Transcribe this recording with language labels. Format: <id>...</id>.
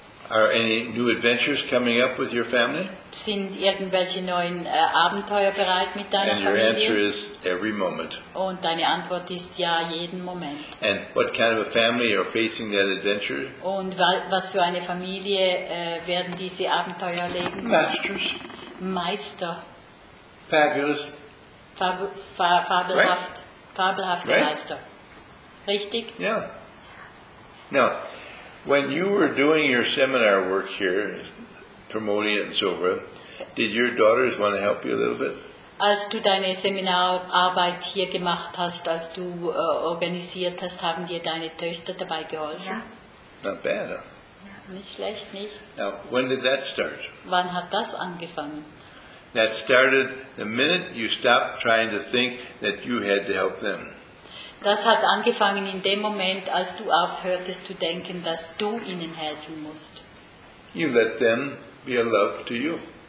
<en>Are any new adventures coming up with your family?</en> <de>Sind irgendwelche neuen Abenteuer bereit mit deiner Familie?</de> <en>And your answer is every moment.</en> <de>Und deine Antwort ist ja, jeden Moment.</de> <en>And what kind of a family are facing that adventure?</en> <de>Und was für eine Familie werden diese Abenteuer erleben?</de> <en>Masters.</en> <de>Meister.</de> <en>Fabulous.</en> <de>Fabelhaft.</de> <en>Right?</en> <de>Fabelhafte right? Meister. Richtig? Ja. Yeah.</de> <en>Now, when you were doing your seminar work here, promoting it and so forth, did your daughters want to help you a little bit?</en> <de>Als du deine Seminararbeit hier gemacht hast, als du organisiert hast, haben dir deine Töchter dabei geholfen?</de> <en>Yeah. Not bad, huh?</en> <de>Nicht schlecht, nicht?</de> <en>Now, when did that start?</en> <de>Wann hat das angefangen?</de> <en>That started the minute you stopped trying to think that you had to help them.</en> <de>Das hat angefangen in dem Moment, als du aufhörtest zu denken, dass du ihnen helfen musst.</de> <en>You let them be a love to you.</en>